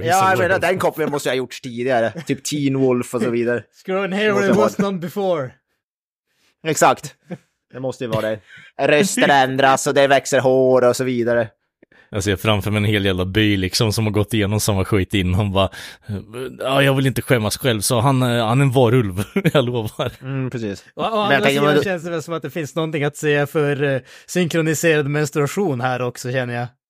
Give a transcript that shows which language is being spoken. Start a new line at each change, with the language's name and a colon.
Swedish: Ja, jag menar, den kopplingen måste jag ha gjort tidigare. Typ teen wolf och så vidare.
English: It's grown hair where it was not before.
Swedish: Exakt. Det måste ju vara det. Röster ändras och det växer hår och så vidare. Jag ser framför mig en hel jävla by liksom som har gått igenom samma skit innan. Bara, jag vill inte skämmas själv, så han är en varulv, jag lovar. Mm, precis. Och annars känns det väl som att det finns någonting att säga för synkroniserad menstruation här också, känner jag.